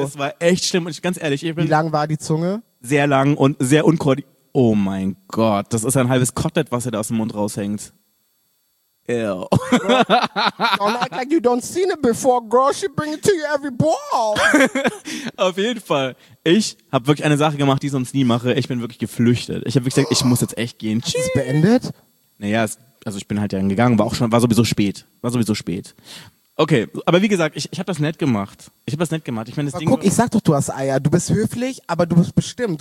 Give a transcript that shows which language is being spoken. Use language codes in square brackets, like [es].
[de] Es war echt schlimm und ich, ganz ehrlich. Wie lang war die Zunge? Sehr lang und sehr unkoordiniert. Oh mein Gott, das ist ein halbes Kotelett, was er da aus dem Mund raushängt. Ew. [en] Don't act like you don't seen it before, girl. She bring it to you every ball. [de] Auf jeden Fall. Ich habe wirklich eine Sache gemacht, die ich sonst nie mache. Ich bin wirklich geflüchtet. Ich habe wirklich gesagt, ich muss jetzt echt gehen. Ist es beendet? Naja, also ich bin halt dann gegangen. War sowieso spät. Okay, aber wie gesagt, ich habe das nett gemacht. Ich meine, das Ding. Guck, ich sag doch, du hast Eier. Du bist höflich, aber du bist bestimmt.